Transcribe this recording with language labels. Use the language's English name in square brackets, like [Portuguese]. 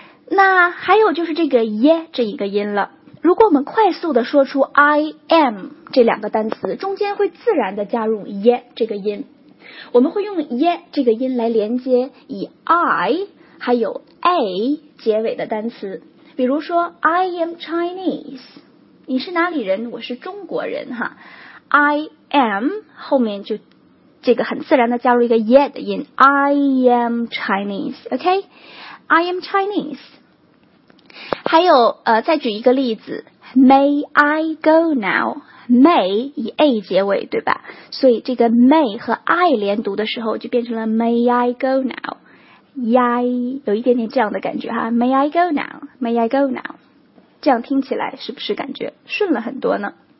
[Chinese] 那还有就是这个 ye 这一个音了，如果我们快速的说出 I am 这两个单词，中间会自然的加入 ye 这个音。我们会用 ye 这个音来连接以 I 还有 a 结尾的单词，比如说 [English] I am Chinese， [Chinese] 你是哪里人？我是中国人哈。 I am 后面就这个很自然的加入一个 ye 的音 ， [English] I am Chinese， OK， I am Chinese。 [Chinese] 还有再举一个例子 ， [English] May I go now？ [Chinese] May 以 A 结尾对吧，所以这个 May 和 I 连读的时候就变成了 May I go now， Yai 有一点点这样的感觉哈， [English] May I go now， May I go now， [Chinese] 这样听起来是不是感觉顺了很多呢？